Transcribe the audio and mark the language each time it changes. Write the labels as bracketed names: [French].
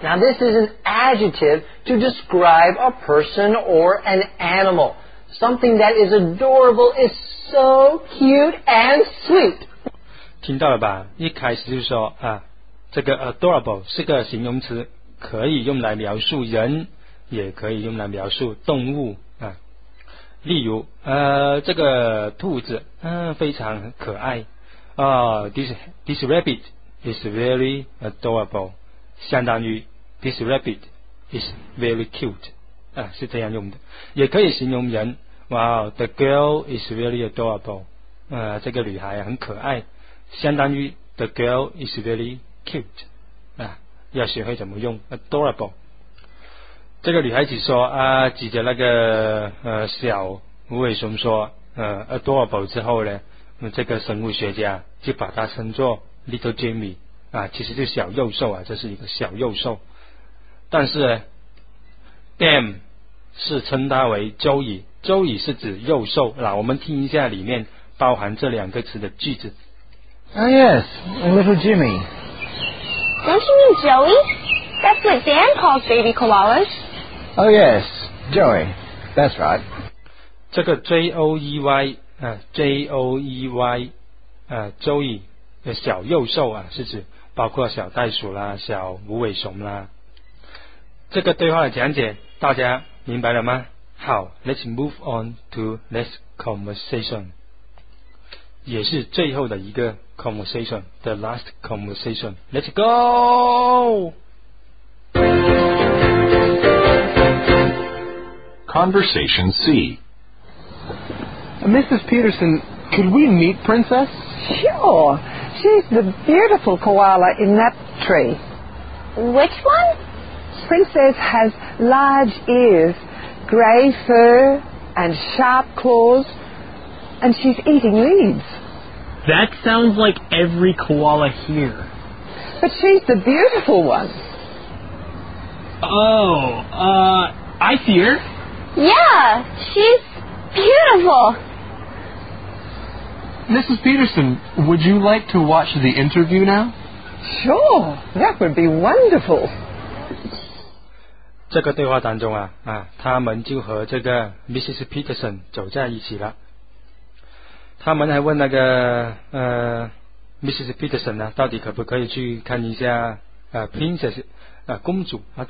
[English] Now this is an adjective to describe a person or an animal. Something that is adorable is so cute and sweet. [Chinese] 听到了吧？一开始就说啊。这个 adorable 是个形容词，可以用来描述人，也可以用来描述动物啊。例如，这个兔子，非常可爱啊。 [English] This rabbit is very adorable， [Chinese] 相当于 [English] this rabbit is very cute [Chinese] 啊，是这样用的。 [English] 也可以形容人，哇 ，the girl is very adorable， [Chinese] 这个女孩很可爱，相当于 [English] the girl is very。 [Chinese] cute 啊，要学会怎么用 adorable。这个女孩子说啊，指着那个小无尾熊说adorable 之后呢，这个生物学家就把它称作 little Jimmy 啊，其实就是小幼兽啊，这是一个小幼兽。但是 Dan 是称它为 Joey 是指幼兽。那我们听一下里面包含这两个词的句子。 [English] Ah yes, a little Jimmy. Don't you mean Joey? That's what Dan calls baby koalas. Oh yes, Joey. That's right. [Chinese] 这个 J-O-E-Y Joey 周易小幼兽啊，是指包括小袋鼠啦、小无尾熊啦。这个对话的讲解大家明白了吗？ [English] 好， Let's move on to this conversation， [Chinese] 也是最后的一个 [English] conversation， The last conversation， Let's go。 Conversation C. Mrs. Peterson, could we meet Princess? Sure. She's the beautiful koala in that tree. Which one? Princess has large ears, gray fur, and sharp claws, and she's eating leaves. That sounds like every koala here. But she's the beautiful one. I see her. Yeah, she's beautiful. Mrs. Peterson, would you like to watch the interview now? Sure, that would be wonderful. [Chinese] 这个对话当中啊，他们就和这个 Mrs. Peterson 走在一起了。他们还问那个Mrs. Peterson 呢，到底可不可以去看一下Princess 公主啊？